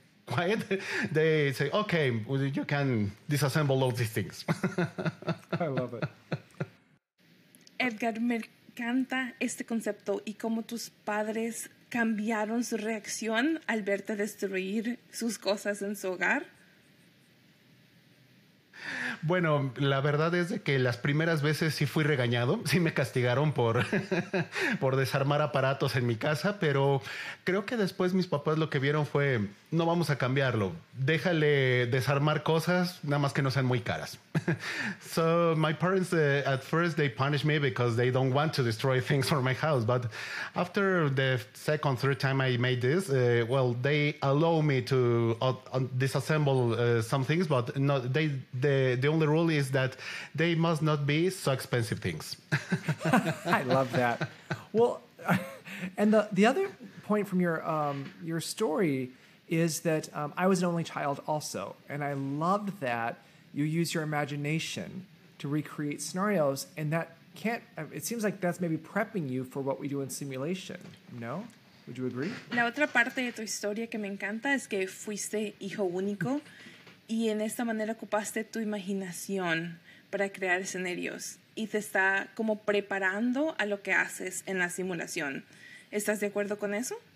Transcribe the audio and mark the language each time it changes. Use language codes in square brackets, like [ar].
[en] quiet, they say, okay, you can disassemble all these things. I love it. [es] Edgar, me encanta este concepto y cómo tus padres cambiaron su reacción al verte destruir sus cosas en su hogar. Bueno, la verdad es de que las primeras veces sí fui regañado, sí me castigaron por, por desarmar aparatos en mi casa, pero creo que después mis papás lo que vieron fue, no vamos a cambiarlo, déjale desarmar cosas, nada más que no sean muy caras. [en] So my parents, at first they punished me because they don't want to destroy things from my house, but after the second, third time I made this, well, they allow me to disassemble some things, but no, the only rule is that they must not be so expensive things. I love that. Well, and the other point from your story is that I was an only child also, and I loved that you use your imagination to recreate scenarios, and that can't, it seems like that's maybe prepping you for what we do in simulation. No? Would you agree? [es] La otra parte de tu historia que me encanta es que fuiste hijo único. Y en esta manera ocupaste tu imaginación para crear escenarios y te está como preparando a lo que haces en la simulación. ¿Estás de acuerdo con eso?